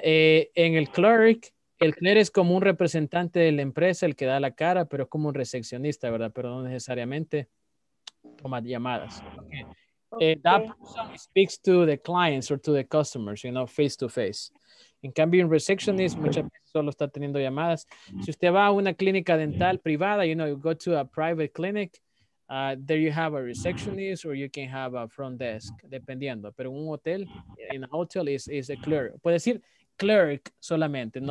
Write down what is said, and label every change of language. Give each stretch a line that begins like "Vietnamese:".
Spanish: En el clerk es como un representante de la empresa, el que da la cara, pero es como un recepcionista, ¿verdad? Pero no necesariamente. Toma llamadas. Okay. Okay.
English: That person speaks to the clients or to the customers, you know, face to face.
Spanish: En cambio, un receptionist muchas veces solo está teniendo llamadas. Si usted va a una clínica dental privada,
English: you know, you go to a private clinic, there you have a receptionist or you can have a front desk,
Spanish: dependiendo. Pero un hotel,
English: in a hotel, is a clerk.
Spanish: Puede decir clerk solamente.